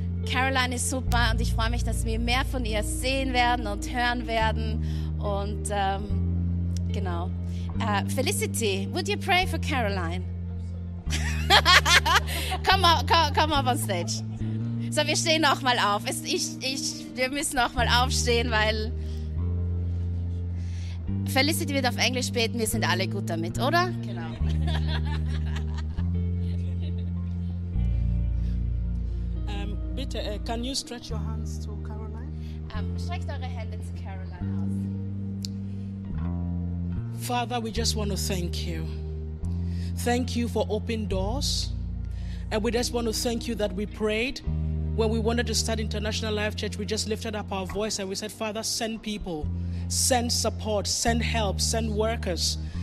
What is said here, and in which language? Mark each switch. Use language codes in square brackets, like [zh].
[de] Caroline ist super und ich freue mich, dass wir mehr von ihr sehen werden und hören werden und genau. [en] Felicity, would you pray for Caroline? come up on stage. [de] So, wir stehen nochmal auf. Wir müssen nochmal aufstehen, weil Felicity wird auf Englisch beten. Wir sind alle gut damit, oder? Genau. [en] bitte, can you stretch your hands to Caroline? [de] Streckt eure Hände zu Caroline aus. [en] Father, we just want to thank you. Thank you for open doors. And we just want to thank you that we prayed. When we wanted to start International Life Church, we just lifted up our voice and we said, Father, send people, send support, send help, send workers.